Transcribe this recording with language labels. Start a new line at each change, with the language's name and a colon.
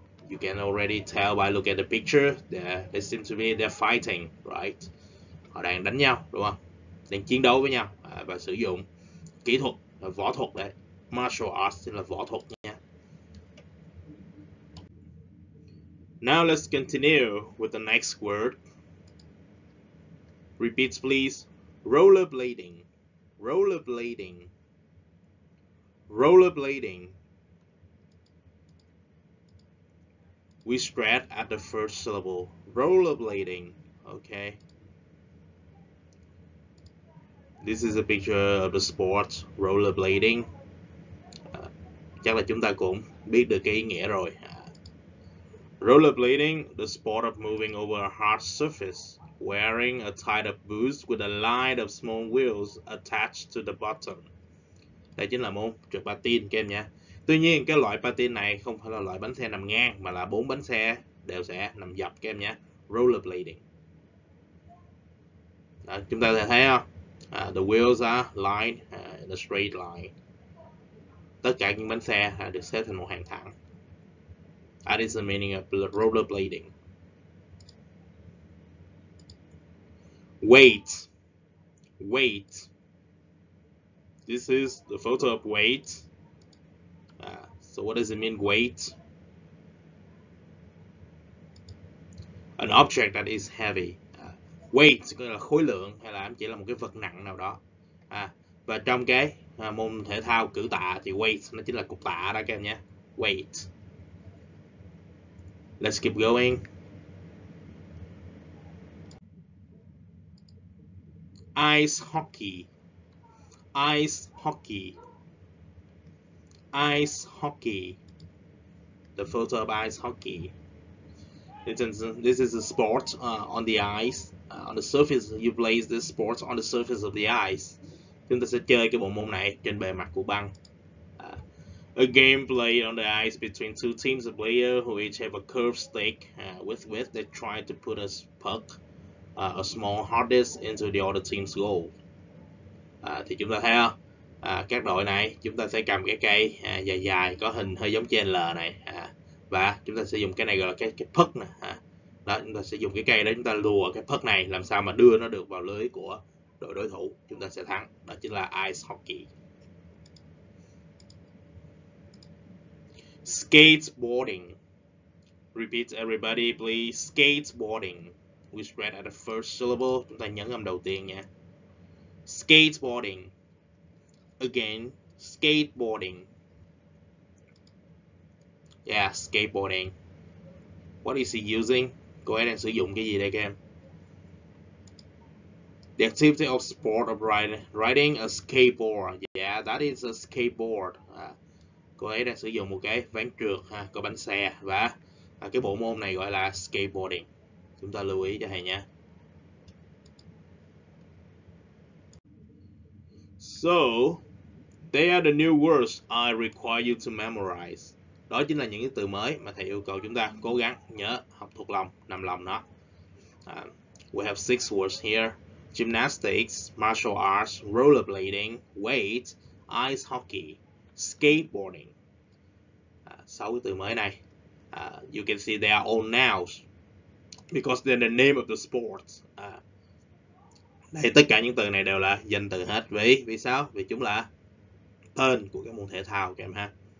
English: You can already tell by looking at the picture that they seem to be they're fighting, right?
Vietnamese: Họ đang đánh nhau, đúng không? Đang chiến đấu với nhau và sử dụng kỹ thuật, võ thuật đấy. Martial arts là võ thuật nha.
English: Now let's continue with the next word. Repeat please. Rollerblading. Rollerblading. Rollerblading. We spread at the first syllable, rollerblading, okay. This is a picture of the sport, rollerblading.
Vietnamese: Chắc là chúng ta cũng biết được cái ý nghĩa rồi.
English: Rollerblading, the sport of moving over a hard surface, wearing a tied up boots with a line of small wheels attached to the bottom.
Vietnamese: Đây chính là môn trượt patin các em nhé. Tuy nhiên cái loại patin này không phải là loại bánh xe nằm ngang mà là bốn bánh xe đều sẽ nằm dọc các em nhé. Rollerblading. Đó, chúng ta có thể thấy không?
English: The wheels are lined in a straight line.
Vietnamese: Tất cả những bánh xe được xếp thành một hàng thẳng.
English: That is the meaning of rollerblading. Weight. Weight. This is the photo of weight. So what does it mean, weight? An object that is heavy.
Vietnamese: Weight có nghĩa là khối lượng hay là chỉ là một cái vật nặng nào đó. Và trong cái môn thể thao cử tạ thì weight nó chính là cục tạ đó các em nhé.
English: Weight. Let's keep going. Ice hockey. Ice hockey. Ice hockey. The photo of ice hockey. This is a sport on the ice. On the surface, you play this sport on the surface of the ice.
Vietnamese: Chúng ta sẽ chơi cái bộ môn này trên bề mặt của băng.
English: A game played on the ice between two teams of players who each have a curved stick with which they try to put a puck, a small hard disk, into the other team's goal.
Vietnamese: Thì chúng ta thấy các đội này, chúng ta sẽ cầm cái cây dài dài có hình hơi giống chén L này. Và chúng ta sẽ dùng cái này gọi là cái puck nè. Đó, chúng ta sẽ dùng cái cây đó, chúng ta lùa cái puck này làm sao mà đưa nó được vào lưới của đội đối thủ, chúng ta sẽ thắng. Đó chính là ice hockey.
English: Skateboarding. Repeat everybody please. Skateboarding. We spread at the first syllable.
Vietnamese: Chúng ta nhấn âm đầu tiên nha.
English: Skateboarding. Again, skateboarding. Yeah, skateboarding. What is he using?
Vietnamese: Cô ấy đang sử dụng cái gì đây các em?
English: The activity of sport of riding a skateboard. Yeah, that is a skateboard.
Vietnamese: Cô ấy đang sử dụng một cái ván trượt ha, có bánh xe, và cái bộ môn này gọi là skateboarding. Chúng ta lưu ý cho thầy nha.
English: So, they are the new words I require you to memorize.
Vietnamese: Đó chính là những cái từ mới mà thầy yêu cầu chúng ta cố gắng nhớ, học thuộc lòng, nằm lòng nó.
English: We have six words here. Gymnastics, martial arts, rollerblading, weight, ice hockey, skateboarding.
Vietnamese: Sáu cái từ mới này.
English: You can see they are all nouns because they're the name of the sport.
Vietnamese: Đây, tất cả những từ này đều là danh từ hết. Vì sao? Vì chúng là tên của cái môn thể thao các em ha.